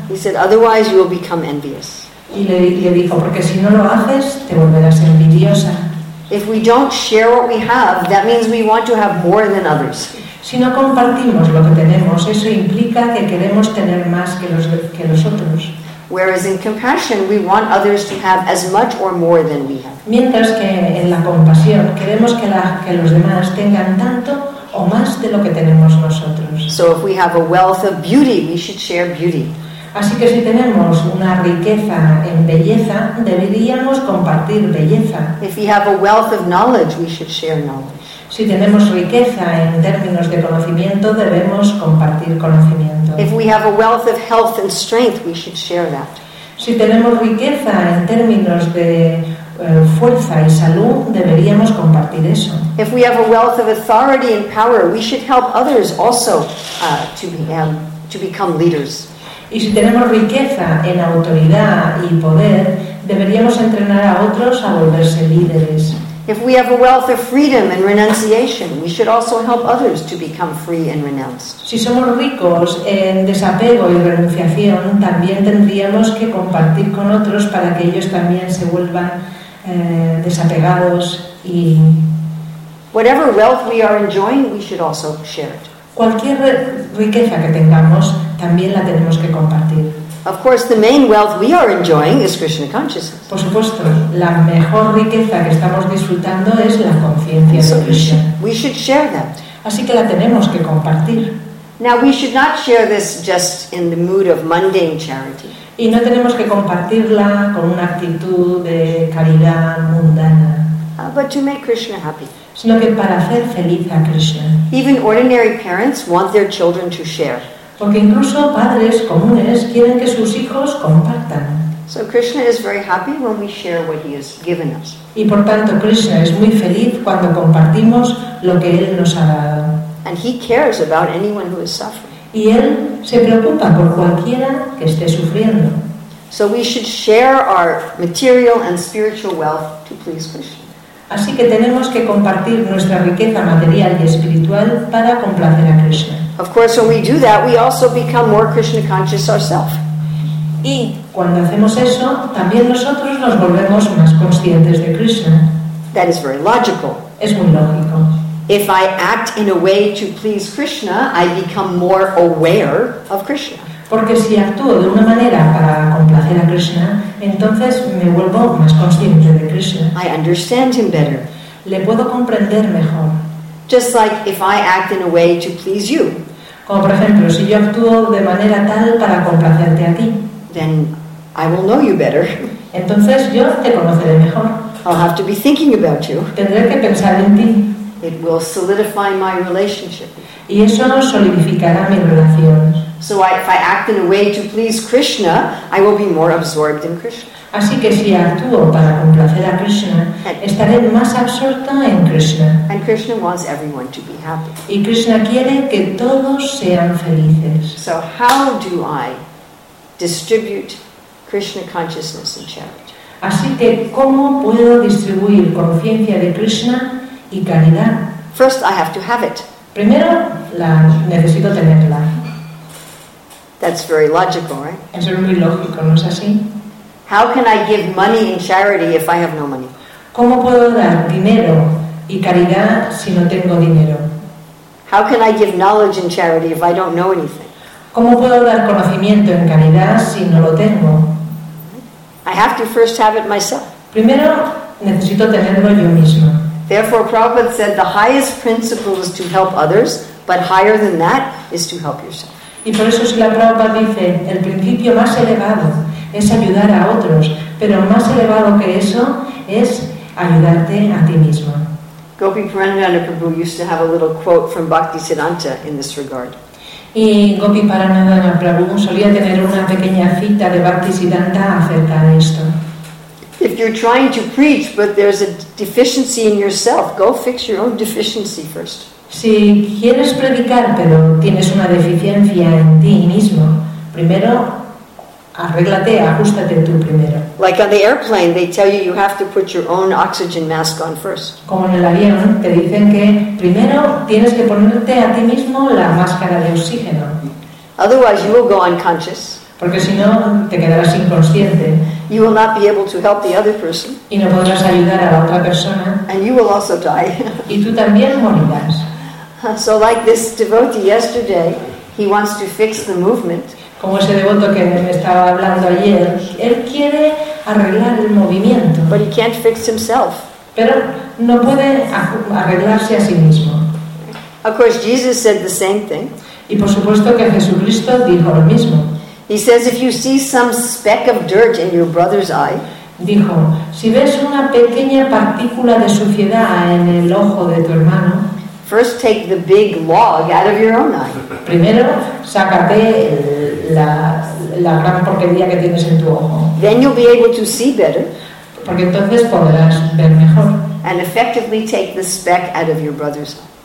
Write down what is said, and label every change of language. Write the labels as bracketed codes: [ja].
[en] He said, otherwise you will become envious. [es] Y le dijo, porque si no lo haces, te volverás envidiosa. [en] If we don't share what we have, that means we want to have more than others. [es] Si no compartimos lo que tenemos, eso implica que queremos tener más que los otros. [en] Whereas in compassion, we want others to have as much or more than we have. [es] Mientras que en la compasión, queremos que los demás tengan tanto o más de lo que tenemos nosotros. [en] So if we have a wealth of beauty, we should share beauty. [es] Así que si tenemos una riqueza en belleza, deberíamos compartir belleza. [en] If we have a wealth of knowledge, we should share knowledge. [es] Si tenemos riqueza en términos de conocimiento, debemos compartir conocimiento. [en] If we have a wealth of health and strength, we should share that. [es] Si tenemos riqueza en términos de fuerza y salud, deberíamos compartir eso. [en] If we have a wealth of authority and power, we should help others also to become leaders. [es] Y si tenemos riqueza en autoridad y poder, deberíamos entrenar a otros a volverse líderes. [en] If we have a wealth of freedom and renunciation, we should also help others to become free and renounced. [es] Si somos ricos en desapego y renunciación, también tendríamos que compartir con otros para que ellos también se vuelvan desapegados y [en] whatever wealth we are enjoying, we should also share it. [es] Cualquier riqueza que tengamos, también la tenemos que compartir. [en] Of course, the main wealth we are enjoying is Krishna consciousness. [es] Por supuesto, la mejor riqueza que estamos disfrutando es la conciencia de Krishna. [en] We should share that. [es] Así que la tenemos que compartir. [en] Now, we should not share this just in the mood of mundane charity. [es] Y no tenemos que compartirla con una actitud de caridad mundana. [en] But to make Krishna happy. [es] Sino que para hacer feliz a Krishna. [en] Even ordinary parents want their children to share. [es] Porque incluso padres comunes quieren que sus hijos compartan. [en] So Krishna is very happy when we share what he has given us. [es] Y por tanto Krishna es muy feliz cuando compartimos lo que él nos ha dado. [en] And he cares about anyone who is suffering. [es] Y él se preocupa por cualquiera que esté sufriendo. [en] So we should share our material and spiritual wealth to please Krishna. [es] Así que tenemos que compartir nuestra riqueza material y espiritual para complacer a Krishna. [en] Of course, when we do that, we also become more Krishna conscious ourselves. [es] Y cuando hacemos eso, también nosotros nos volvemos más conscientes de Krishna. [en] That is very logical. [es] Es muy lógico. [en] If I act in a way to please Krishna, I become more aware of Krishna. [es] Porque si actúo de una manera para complacer a Krishna, entonces me vuelvo más consciente de Krishna. [en] I understand him better. [es] Le puedo comprender mejor. [en] Just like if I act in a way to please you. [es] Como por ejemplo, si yo actúo de manera tal para complacerte a ti. [en] Then I will know you better. [es] Entonces yo te conoceré mejor. [en] I'll have to be thinking about you. [es] Tendré que pensar en ti. [en] It will solidify my relationship. [es] Y eso solidificará mi relación. [en] So if I act in a way to please Krishna, I will be more absorbed in Krishna. [es] Así que si actúo para complacer a Krishna, estaré más absorta en Krishna. [en] And Krishna wants everyone to be happy. [es] Y Krishna quiere que todos sean felices. [en] So how do I distribute Krishna consciousness and charity? [es] Así que ¿cómo puedo distribuir conciencia de Krishna y caridad? [en] First I have to have it. [es] Primero la necesito tenerla. [en] That's very logical, right? [es] Eso es muy lógico, ¿no es así? [en] How can I give money in charity if I have no money? [es] ¿Cómo puedo dar dinero y caridad si no tengo dinero? [en] How can I give knowledge in charity if I don't know anything? [es] ¿Cómo puedo dar conocimiento en caridad si no lo tengo? [en] I have to first have it myself. [es] Primero necesito tenerlo yo mismo. [en] Therefore, Prabhupada said the highest principle is to help others, but higher than that is to help yourself. [es] Y por eso si la Prabhupada dice el principio más elevado es ayudar a otros, pero más elevado que eso es ayudarte a ti mismo. [en] Gopi Parananda Prabhu used to have a little quote from Bhaktisiddhanta in this regard. [es] Y Gopi Parananda Prabhu solía tener una pequeña cita de Bhaktisiddhanta acerca de esto. [en] If you're trying to preach but there's a deficiency in yourself, go fix your own deficiency first. [es] Si quieres predicar pero tienes una deficiencia en ti mismo, primero arréglate, ajustate tú primero. [en] Like on the airplane, they tell you you have to put your own oxygen mask on first. [es] Como en el avión, te dicen que primero tienes que ponerte a ti mismo la máscara de oxígeno. [en] Otherwise, you will go unconscious. [es] Porque si no, te quedarás inconsciente. [en] You will not be able to help the other person. [es] Y no podrás ayudar a la otra persona. [en] And you will also die. [es] Y tú también morirás. [en] So like this devotee yesterday, he wants to fix the movement. [es] Como ese devoto que me estaba hablando ayer, él quiere arreglar el movimiento. [en] But he can't fix himself. [es] Pero no puede arreglarse a sí mismo. [en] Of course, Jesus said the same thing. [es] Y por supuesto que Jesucristo dijo lo mismo. [en] He says, if you see some speck of dirt in your brother's eye, [es] dijo, si ves una pequeña partícula de suciedad en el ojo de tu hermano, [en] first take the big log out of your own eye. [es] Primero, sácate la gran porquería que tienes en tu ojo. [en] Then you'll be able to see better. [es] Porque entonces podrás ver mejor. [en] And effectively take the speck out of your brother's eye.